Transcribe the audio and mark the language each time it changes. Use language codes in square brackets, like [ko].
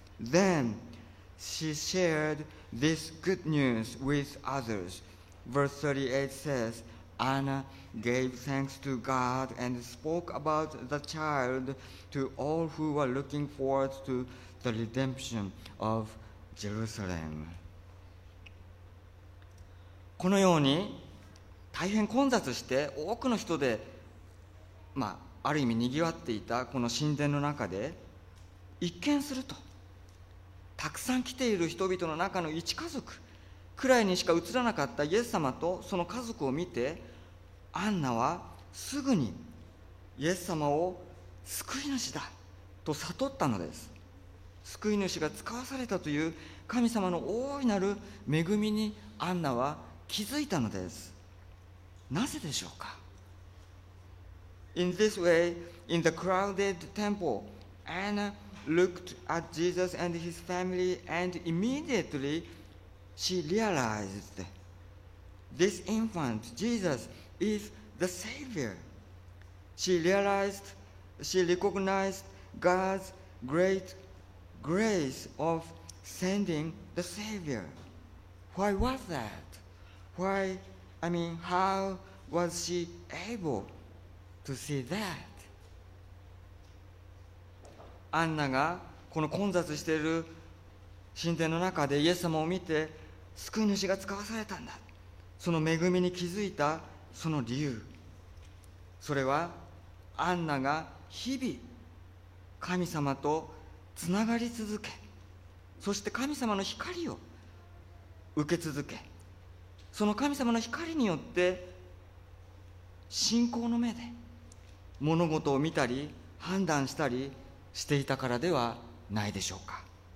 [en] Then she shared this good news with others. Verse 38 says,Anna gave thanks to God and spoke about the child to all who were looking forward to the redemption of Jerusalem. [ja] このように大変混雑して多くの人で、まあ、ある意味にぎわっていたこの神殿の中で、一見するとたくさん来ている人々の中の一家族くらいにしか映らなかったイエス様とその家族を見て、アンナはすぐにイエス様を救い主だと悟ったのです。救い主が使わされたという神様の大いなる恵みにアンナは気づいたのです。なぜでしょうか。 [en] In this way, in the crowded temple, Anna looked at Jesus and his family and immediately she realized this infant, Jesus, is the Savior. She realized She recognized God's great grace of sending the Savior. Why was that? Why, I mean, how was she able to see that? [ja] アンナがこの混雑している神殿の中でイエス様を見て救い主が使わされたんだ。その恵みに気づいたその理由、それはアンナが日々神様とつながり続け、そして神様の光を受け続け、その神様の光によって信仰の目で物事を見たり判断したりしていたからではないでしょうか。